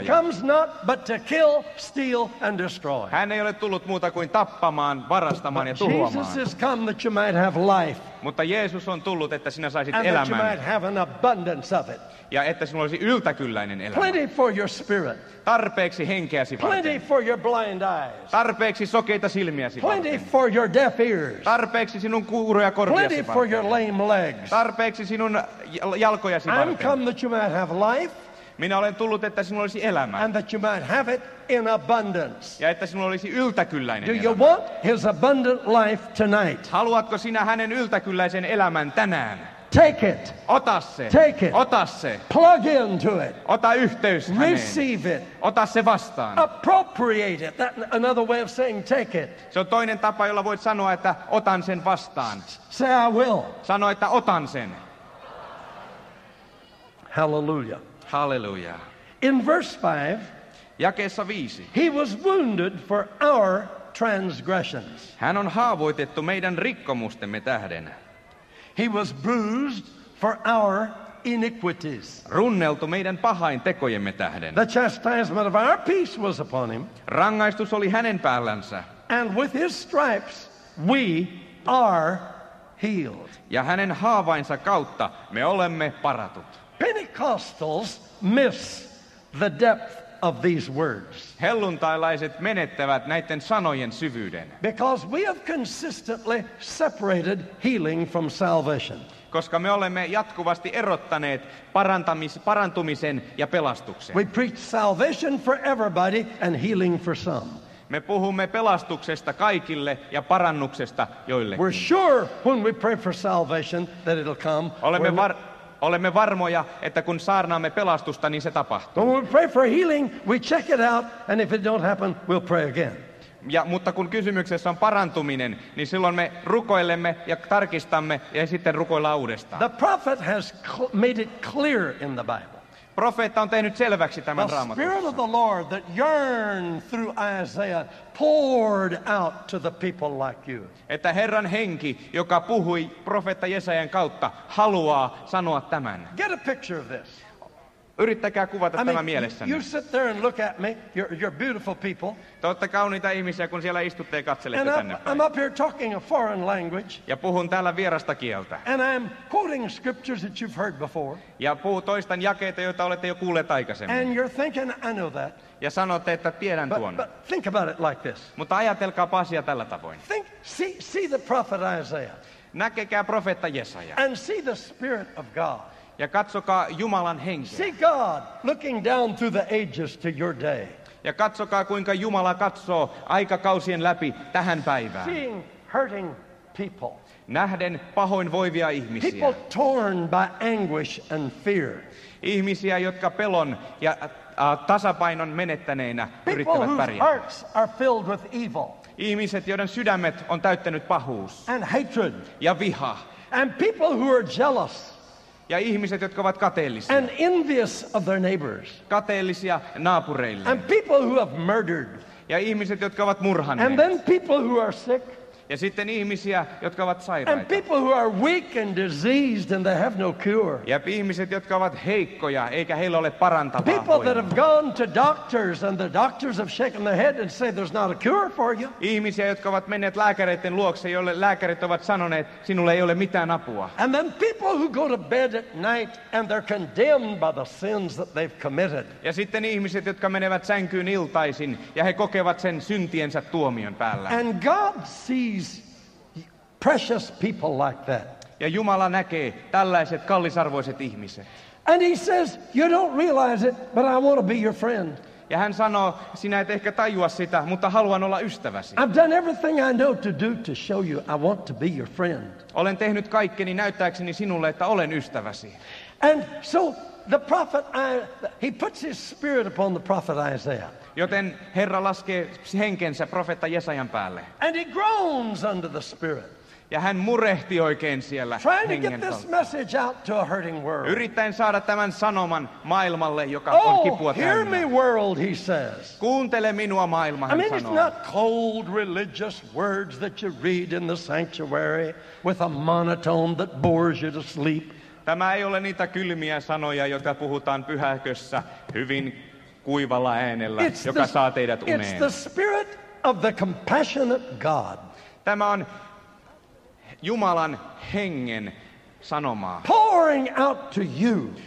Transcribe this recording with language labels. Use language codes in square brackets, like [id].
[en] He comes not but to kill, steal and destroy. [fi] Hän ei ole tullut muuta kuin tappamaan, varastamaan [en] but [fi] ja tuhoamaan. [en] Jesus has come that you might have life. [fi] Mutta Jeesus on tullut, että sinä saisit [en] and [fi] elämän. [en] And you might have an abundance of it. [fi] Ja että sinulla olisi yltäkylläinen elämä. [en] Plenty for your spirit. [fi] Tarpeeksi henkeäsi varten. [en] Plenty for your blind eyes. [fi] Tarpeeksi sokeita silmiäsi varten. [en] Plenty for your deaf ears. [fi] Tarpeeksi sinun kuuroja korviasi varten. [en] Plenty for your lame legs. [fi] Tarpeeksi sinun jalkojasi varten. [en] I'm come that you might have life. [fi] Minä olen tullut, että sinulla olisi elämä. [en] And that you might have it in abundance. [fi] Ja että sinulla olisi yltäkylläinen [en] do [fi] elämä. [en] Do you want his abundant life tonight? [fi] Haluatko sinä hänen yltäkylläisen elämän tänään? [en] Take it. [fi] Ota se. [en] Take it. [fi] Ota se. [en] Plug into it. [fi] Ota yhteys häneen. [en] Receive it. [fi] Ota se vastaan. [en] Appropriate it. That's another way of saying take it. [fi] Se on toinen tapa, jolla voit sanoa, että otan sen vastaan. [en] Say I will. [fi] Sano, että otan sen. [en] Hallelujah. [fi] Hallelujah. [en] In verse 5, [fi] jakeessa 5, [en] he was wounded for our transgressions. [fi] Hän on haavoitettu meidän rikkomustemme tähden. [en] He was bruised for our iniquities. [fi] Runneltu meidän pahain tekojemme tähden. [en] The chastisement of our peace was upon him. [fi] Rangaistus oli hänen päällänsä. [en] And with his stripes we are healed. [fi] Ja hänen haavainsa kautta me olemme paratut. [en] Pentecostals miss the depth of these words. [fi] Helluntailaiset menettävät näiden sanojen syvyyden. [en] Because we have consistently separated healing from salvation. [fi] Koska me olemme jatkuvasti erottaneet parantumisen ja pelastuksen. [en] We preach salvation for everybody and healing for some. [fi] Me puhumme pelastuksesta kaikille ja parannuksesta joillekin. [en] We're sure when we pray for salvation that it'll come. [fi] Olemme varmoja, että kun saarnaamme pelastusta, niin se tapahtuu. [en] When we pray for healing, we check it out, and if it don't happen, we'll pray again. [fi] Ja, mutta kun kysymyksessä on parantuminen, niin silloin me rukoilemme ja tarkistamme ja sitten rukoillaan uudestaan. [en] The prophet has made it clear in the Bible. [fi] Profeetta on tehnyt selväksi tämän Raamatussa. [en] The spirit of the Lord that yearned through Isaiah poured out to the people like you. [fi] Että Herran henki, joka puhui profeetta Jesajan kautta, haluaa sanoa tämän. [en] Get a picture of this. [fi] Yrittäkää kuvata tämä mielessänne. [en] You sit there and look at me. You're beautiful people. [fi] Te olette kauniita ihmisiä, kun siellä istutte ja katselette tänne päin. [en] I'm up here talking a foreign language. [fi] Ja puhun täällä vierasta kieltä. [en] And I'm quoting scriptures that you've heard before. [fi] Ja puhun toistan jakeita, joita olette jo kuulleet aikaisemmin. [en] And you're thinking, I know that. [fi] Ja sanotte, että tiedän tuon. [en] But think about it like this. [fi] Mutta ajatelkaapa asia tällä tavoin. [en] Think, see the prophet Isaiah. [fi] Näkekää profeetta Jesaja. [en] And see the spirit of God. [fi] Ja katsokaa Jumalan henkeä. [en] See God looking down through the ages to your day. [fi] Ja katsokaa kuinka Jumala katsoo aikakausien läpi tähän päivään. [en] Seeing hurting people. [fi] Nähden pahoinvoivia ihmisiä. [en] People torn by anguish and fear. [fi] Ihmisiä, jotka pelon ja tasapainon menettäneinä yrittävät pärjätä. [en] People whose hearts are filled with evil. [fi] Ihmiset, joiden sydämet on täyttänyt pahuus. [en] And hatred. [fi] Ja viha. [en] And people who are jealous. [fi] Ja ihmiset, jotka ovat kateellisia. [en] And envious of their neighbors. [fi] Kateellisia naapureille. [en] And people who have murdered. [fi] Ja ihmiset, jotka ovat murhanneet. [en] And then people who are sick. [fi] Ja sitten ihmisiä, jotka ovat sairaita. [en] And people who are weak and diseased and they have no cure. [fi] Ja ihmiset, jotka ovat heikkoja, eikä heillä ole parantavaa. [en] People that have gone to doctors and the doctors have shaken their head and say there's not a cure for you. [fi] Ihmisiä, jotka ovat menneet lääkäreiden luokse, joille lääkärit ovat sanoneet, sinulle ei ole mitään apua. [en] And then people who go to bed at night and they're condemned by the sins that they've committed. [fi] Ja sitten ihmiset, jotka menevät sänkyyn iltaisin ja he kokevat sen syntiensä tuomion päällä. [en] And God sees precious people like that. [fi] Ja Jumala näkee tällaiset kallisarvoiset ihmiset. [en] And he says, you don't realize it, but I want to be your friend. [fi] Ja hän sanoo, sinä et ehkä tajua sitä, mutta haluan olla ystäväsi. [en] I've done everything I know to do to show you I want to be your friend. [fi] Olen tehnyt kaikkeni näyttääkseni sinulle, että olen ystäväsi. [en] And so the prophet, he puts his spirit upon the prophet Isaiah. [fi] Joten Herra laskee henkensä profeetta Jesajan päälle. [en] And he groans under the spirit. [fi] Ja hän murehti oikein siellä. [en] Trying to get this message out to a hurting world. [fi] Yrittäen saada tämän sanoman maailmalle, joka oh, on kipua täynnä. [en] Hear me world, he says. [fi] Kuuntele minua maailma, hän [en] I mean, [fi] sanoo. [en] It's not cold religious words that you read in the sanctuary with a monotone that bores you to sleep. [fi] Tämä ei ole niitä kylmiä sanoja, joita puhutaan pyhäkössä hyvin kuivalla äänellä, [en] it's [fi] joka [en] the, [fi] saa teidät uneen. [en] It's the spirit of the compassionate God. [fi] Tämä on Jumalan hengen sanomaa. [en] Pouring out to you.